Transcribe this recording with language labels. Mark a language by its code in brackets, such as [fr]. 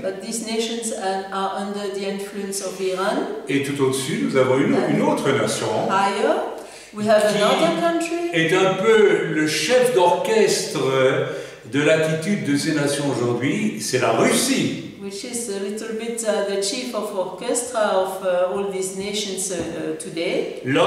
[en] But these nations are under the influence of Iran. [fr] Et tout au-dessus, nous avons une autre nation. [en] Higher. We have another country. [fr] Est un peu le chef d'orchestre de l'attitude de ces nations aujourd'hui, c'est la Russie. [en] Which is a little bit the chief of orchestra of all these nations today.